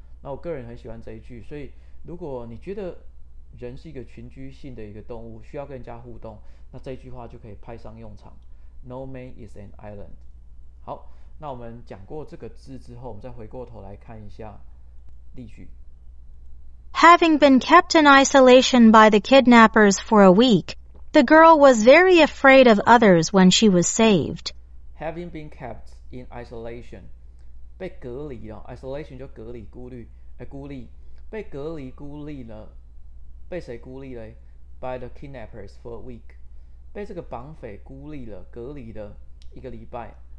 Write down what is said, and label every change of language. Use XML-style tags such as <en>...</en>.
<zh>那我个人很喜欢这一句，所以如果你觉得人是一个群居性的一个动物，需要跟人家互动，那这句话就可以派上用场， No man is an island。好，那我们讲过这个字之后，我们再回过头来看一下例句。</zh> <en>Having been kept in isolation by the kidnappers for a week, the girl was very afraid of others when she was saved.</en> <zh>Having been kept in isolation，被隔离了， isolation 就隔离孤立，孤立，被隔离孤立了，被谁孤立了？ By the kidnappers for a week，被这个绑匪孤立了，隔离的一个礼拜。</zh>